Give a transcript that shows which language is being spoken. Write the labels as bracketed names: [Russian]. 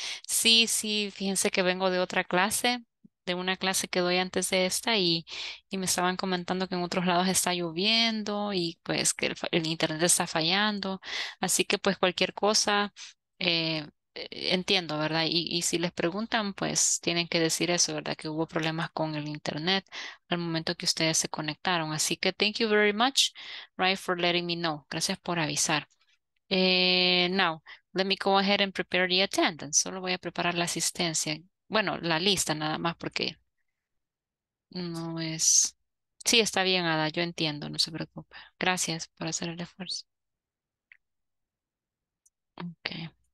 [Spanish] Sí, fíjense que vengo de otra clase, de una clase que doy antes de esta y me estaban comentando que en otros lados está lloviendo y pues que el internet está fallando. Así que pues cualquier cosa, entiendo, ¿verdad? Y si les preguntan, pues tienen que decir eso, ¿verdad? Que hubo problemas con el internet al momento que ustedes se conectaron. Así que [English] thank you very much, right, for letting me know. [Spanish] Gracias por avisar. [English] Now, let me go ahead and prepare the attendance. [Spanish] Solo voy a preparar la asistencia. Bueno, la lista nada más porque no es... Sí, está bien, Ada, yo entiendo, no se preocupe. Gracias por hacer el esfuerzo. Ok.